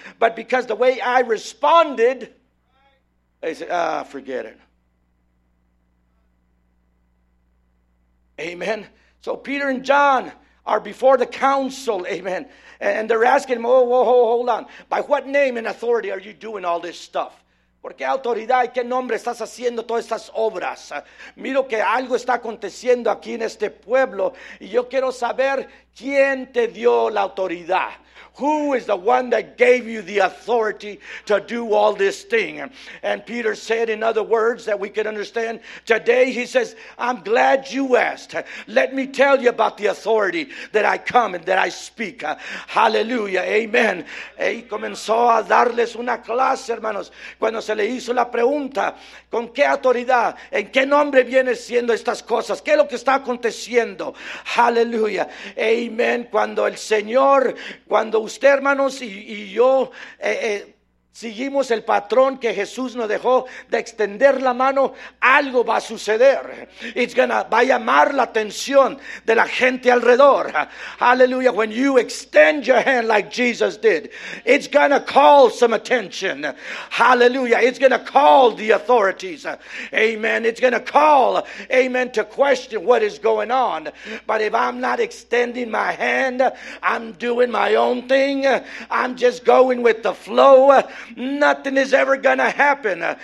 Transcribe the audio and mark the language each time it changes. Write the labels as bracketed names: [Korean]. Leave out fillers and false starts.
[English] But because the way I responded, they said, forget it. Amen. So Peter and John are before the council. Amen. And they're asking, whoa, hold on. By what name and authority are you doing all this stuff? [Spanish] ¿Por qué autoridad y qué nombre estás haciendo todas estas obras? Miro que algo está aconteciendo aquí en este pueblo y yo quiero saber quién te dio la autoridad. [English] Who is the one that gave you the authority to do all this thing? And Peter said, in other words that we can understand today, he says, I'm glad you asked. Let me tell you about the authority that I come and that I speak. Hallelujah. Amen. [Spanish] Y comenzó a darles una clase, hermanos, cuando se le hizo la pregunta, ¿con qué autoridad? ¿En qué nombre vienen siendo estas cosas? ¿Qué es lo que está aconteciendo? Hallelujah. Amen. Cuando el Señor, cuando usted, hermanos, y yo seguimos el patrón que Jesús nos dejó de extender la mano, algo va a suceder. Va a llamar la atención de la gente alrededor. [English] Hallelujah. When you extend your hand like Jesus did, it's going to call some attention. Hallelujah. It's going to call the authorities. Amen. It's going to call, amen, to question what is going on. But if I'm not extending my hand, I'm doing my own thing, I'm just going with the flow, nothing is ever gonna happen.